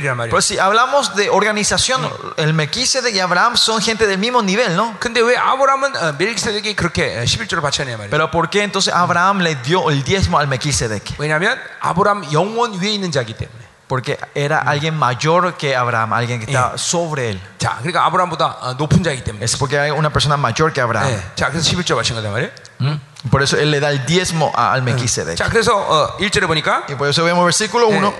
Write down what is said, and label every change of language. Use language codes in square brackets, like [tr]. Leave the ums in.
[es] Pero si hablamos de organización, no. el Melquisedec y Abraham son gente del mismo nivel, ¿no? [ko] 아브람은, uh, 그렇게, [es] uh, Pero ¿por qué entonces Abraham mm. le dio el diezmo al Melquisedec? [ko] 왜냐하면, 영원 위에 있는 자기 때문에. [es] porque era mm. alguien mayor que Abraham, alguien que estaba yeah. sobre él. Ja, uh, es porque hay una persona mayor que Abraham. Yeah. Ja, mm. Mm. por eso él le da el diezmo a, al mequise de uh, ja, y por eso vemos versículo 1.